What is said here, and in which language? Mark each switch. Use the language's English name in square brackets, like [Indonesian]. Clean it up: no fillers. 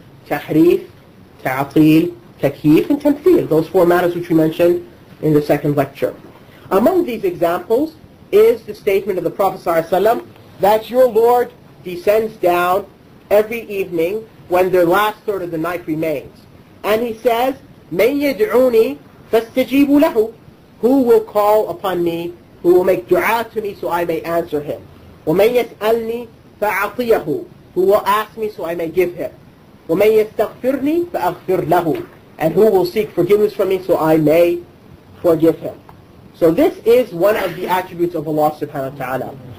[English] Tahrif, ta'atil, takyif, and tamthil. Those four matters which we mentioned in the second lecture. Among these examples is the statement of the Prophet sallallahu alaihi wasallam that your Lord descends down every evening when the last third of the night remains. [Arabic] And He says, مَنْ يَدْعُونِي فَاسْتَجِيبُ لَهُ. [English] Who will call upon me? Who will make dua to me so I may answer him? [Arabic] وَمَنْ يَسْأَلْنِي فَأَعْطِيَهُ. [English] Who will ask me so I may give him? [Arabic] وَمَنْ يَسْتَغْفِرْنِي فَأَغْفِرْ لَهُ. [English] And who will seek forgiveness from me so I may forgive him? So this is one of the attributes of Allah subhanahu wa ta'ala.